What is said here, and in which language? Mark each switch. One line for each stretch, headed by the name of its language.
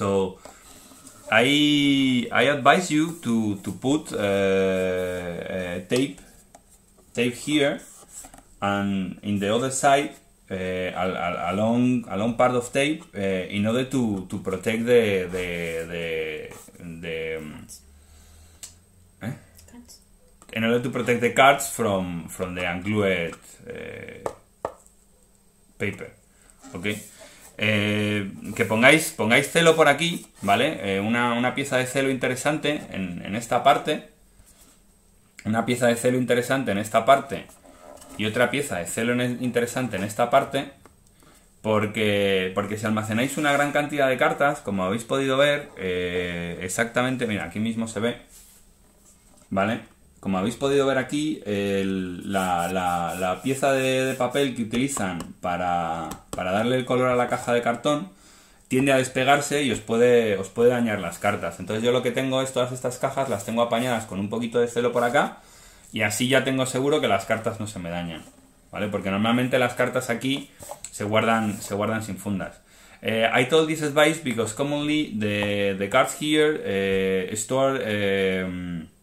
English: So I advise you to put tape here, and in the other side a long part of tape in order to protect the in order to protect the cards from the unglued paper, ¿ok?
Spanish: Que pongáis celo por aquí, ¿vale? Una pieza de celo interesante en esta parte. Una pieza de celo interesante en esta parte. Y otra pieza de celo interesante en esta parte. Porque si almacenáis una gran cantidad de cartas, como habéis podido ver, exactamente, mira, aquí mismo se ve, ¿vale? Como habéis podido ver aquí, la pieza de papel que utilizan para darle el color a la caja de cartón tiende a despegarse y os puede dañar las cartas. Entonces yo lo que tengo es todas estas cajas, las tengo apañadas con un poquito de celo por acá y así ya tengo seguro que las cartas no se me dañan, ¿vale? Porque normalmente las cartas aquí se guardan sin fundas.
English: I told this advice because commonly the cards here store...